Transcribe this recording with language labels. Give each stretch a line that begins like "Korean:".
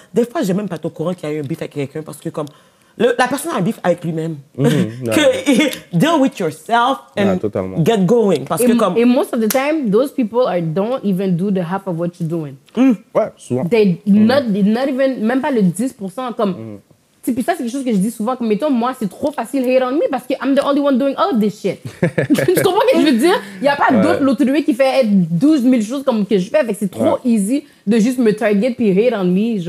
French: Des fois, j'ai même pas été au courant qu'il y a eu un beef avec quelqu'un parce que, comme, la personne a un beef avec lui-même.
English: Deal with yourself and get going.
French: Parce que comme...
English: And most of the time, those people don't even do the half of what you're doing.
French: Ouais, souvent. Même pas le 10%. Comme, puis ça, c'est quelque chose que je dis souvent. Comme, mettons, moi, c'est trop facile
English: hate on me
French: parce que
English: I'm the only one doing all of this shit.
French: Tu comprends ce que je veux dire? Il n'y a pas d'autre l'autre de lui qui fait 12 000 choses comme que je fais. Fait que c'est trop easy de juste me target puis
English: hate on me.